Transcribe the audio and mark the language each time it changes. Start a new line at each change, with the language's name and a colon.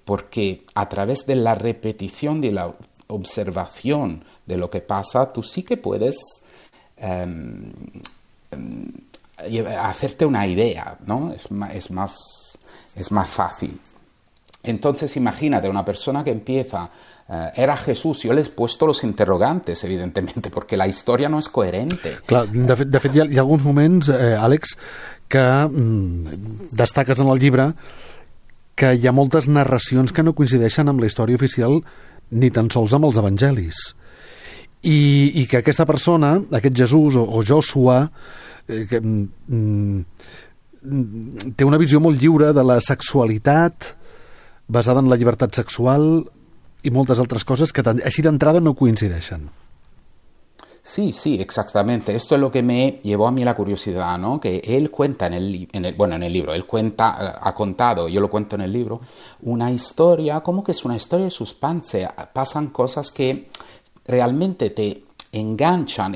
Spanish: Porque a través de la repetición y la observación de lo que pasa, tú sí que puedes hacerte una idea, ¿no? Es más fácil. Entonces, imagínate una persona que empieza, era Jesús, yo le he puesto los interrogantes, evidentemente, porque la historia no es coherente.
Catalan: Clar, de fet, hi ha alguns moments, Àlex, que destaques en el llibre que hi ha moltes narracions que no coincideixen amb la història oficial ni tan sols amb els evangelis. I que aquesta persona, aquest Jesús o Joshua, que té una visió molt lliure de la sexualitat basada en la llibertat sexual i moltes altres coses que així d'entrada no coincideixen.
Spanish: Sí, exactamente. Esto es lo que me llevó a mí la curiosidad, ¿no? Que él cuenta en el libro, él cuenta, ha contado, yo lo cuento en el libro, una historia, como que es una historia de suspense. Pasan cosas que realmente te enganchan.